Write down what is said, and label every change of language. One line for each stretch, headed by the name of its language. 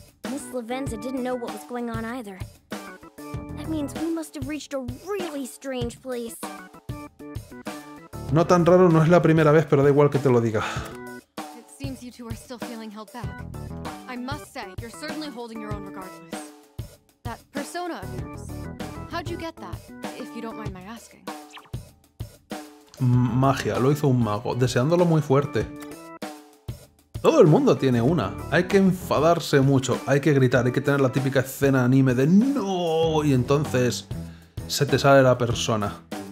English: Miss Lavenza didn't know what was going on either. That means we must have reached a really strange place.
Spanish: No tan raro, no es la primera vez, pero da igual que te lo diga.
English: It seems you two are still feeling held back. I must say, you're certainly holding your own regardless. That persona of yours. How'd you get that, if you don't mind my asking?
Spanish: Magia, lo hizo un mago, deseándolo muy fuerte. Todo el mundo tiene una. Hay que enfadarse mucho, hay que gritar, hay que tener la típica escena anime de no y entonces se te sale la persona.